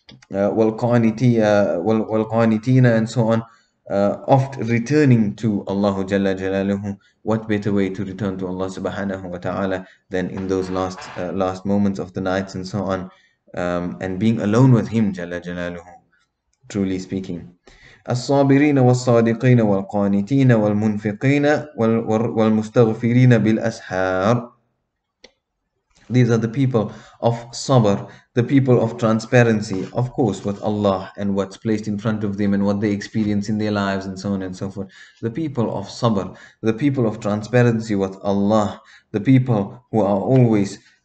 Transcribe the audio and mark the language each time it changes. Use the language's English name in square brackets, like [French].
[English] Wal qanitina and so on, oft returning to Allah Jalla Jalaluhu. What better way to return to Allah subhanahu wa ta'ala than in those last moments of the nights and so on, and being alone with Him Jalla Jalaluhu. Truly speaking, [Arabic] الصابرين والصادقين والقانتين والمنفقين والمستغفرين بالأسحار. [English] These are the people of sabr, the people of transparency, of course, with Allah and what's placed in front of them and what they experience in their lives and so on and so forth. The people of sabr, the people of transparency with Allah, the people who are always